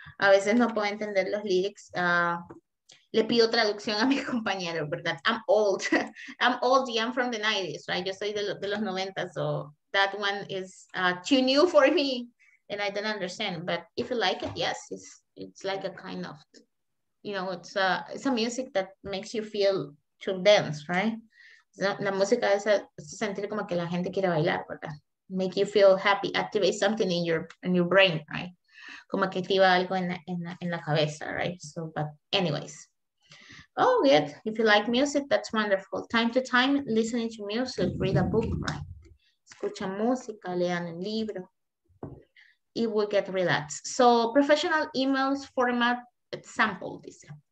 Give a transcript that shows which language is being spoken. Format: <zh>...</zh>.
<es>A veces no puedo entender los lyrics. Le pido traducción a mis compañeros, ¿verdad?</es> <en>I'm old. I'm old, yeah, I'm from the 90s, right?</en> <es>Yo soy de los 90s, so</es> <en>that one is too new for me and I don't understand, but if you like it, yes, it's like a kind of, you know, it's a music that makes you feel to dance, right?</en> <es>La música es sentir como que la gente quiere bailar, ¿verdad?</es> <en>Make you feel happy, activate something in your brain, right?</en> <es>Como que activa algo en la cabeza, right?</es> <en>So, but anyways. Oh, good. If you like music, that's wonderful. Time to time, listening to music, read a book, right?</en> <es>Escucha música, lean un libro.</es> <en>It will get relaxed. So, professional emails format example, dice.</en>